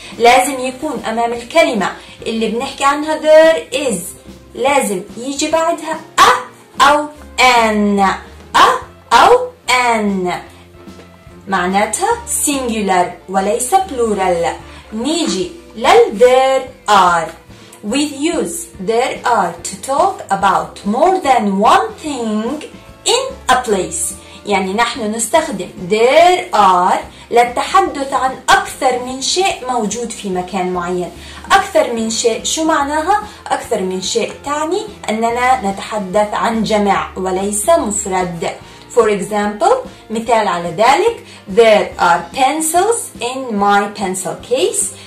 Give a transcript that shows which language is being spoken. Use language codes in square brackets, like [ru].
[ar] لازم يكون أمام الكلمة اللي بنحكي عنها there is لازم يجي بعدها a أو an. a أو an معناتها singular وليس plural. نيجي لل there are. [en] We use there are to talk about more than one thing in a place. [ar] يعني نحن نستخدم there are للتحدث عن أكثر من شيء موجود في مكان معين. أكثر من شيء شو معناها؟ أكثر من شيء تعني أننا نتحدث عن جمع وليس مفرد. [en] For example, [ar] مثال على ذلك, [en] there are pencils in my pencil case.